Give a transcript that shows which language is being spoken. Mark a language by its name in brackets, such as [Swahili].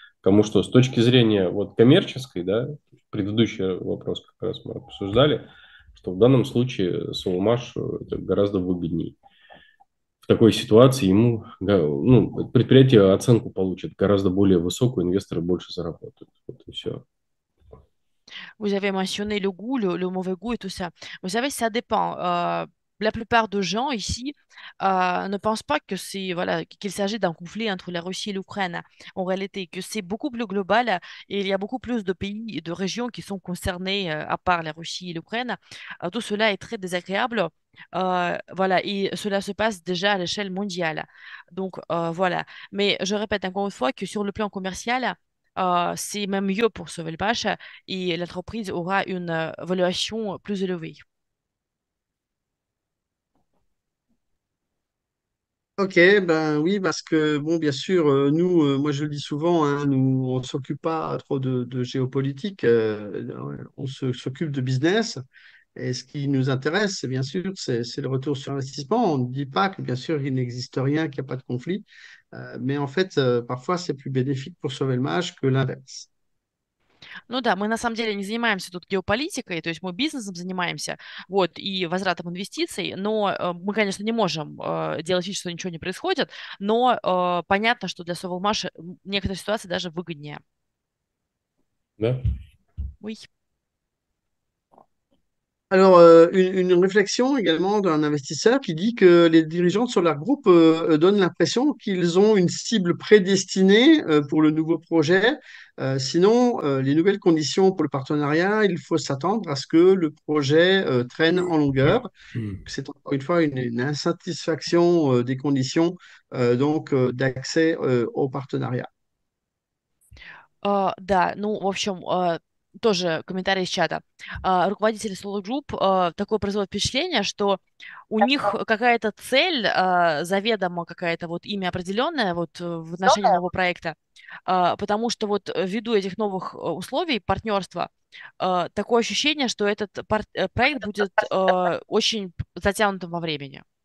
[Russian] Кому что, с точки зрения вот, коммерческой, да, предыдущий вопрос как раз мы обсуждали, что в данном случае Соломаш это гораздо выгоднее. В такой ситуации ему, ну, предприятие оценку получит гораздо более высокую, инвесторы больше заработают. Вот и все. [French] Vous avez mentionné le goût, le mauvais goût et tout ça. Vous savez, ça dépend. La plupart de gens ici ne pensent pas que c'est voilà qu'il s'agit d'un conflit entre la Russie et l'Ukraine. En réalité, que c'est beaucoup plus global et il y a beaucoup plus de pays et de régions qui sont concernés à part la Russie et l'Ukraine. Tout cela est très désagréable. Voilà, et cela se passe déjà à l'échelle mondiale. Donc voilà. Mais je répète encore une fois que sur le plan commercial. C'est même mieux pour Sauvelmash et l'entreprise aura une valuation plus élevée. Ok, ben oui, parce que bon, bien sûr, nous, moi je le dis souvent, hein, nous on s'occupe pas trop de géopolitique, on s'occupe de business. Et ce qui nous intéresse, bien sûr, c'est le retour sur investissement. On ne dit pas que bien sûr il n'existe rien, qu'il n'y a pas de conflit, mais en fait, parfois c'est plus bénéfique pour Sauvelmash que l'inverse. [Russian] Ну да, мы на самом деле не занимаемся тут геополитикой, то есть мы бизнесом занимаемся, вот, и возвратом инвестиций, но мы, конечно, не можем делать вид, что ничего не происходит, но понятно, что для Sovelmash некоторые ситуации даже выгоднее. Да. [French] Oui. Alors, une réflexion également d'un investisseur qui dit que les dirigeants de Solar Group donnent l'impression qu'ils ont une cible prédestinée pour le nouveau projet. Sinon, les nouvelles conditions pour le partenariat, il faut s'attendre à ce que le projet traîne en longueur. C'est encore une fois une insatisfaction des conditions d'accès au partenariat. [Russian] Да, ну, в общем, тоже комментарий из чата. Руководители Solar Group такое производят впечатление, что у них какая-то цель, заведомо какая-то вот имя определенное вот в отношении нового проекта, потому что вот ввиду этих новых условий партнерства такое ощущение, что этот проект будет очень затянутым во времени.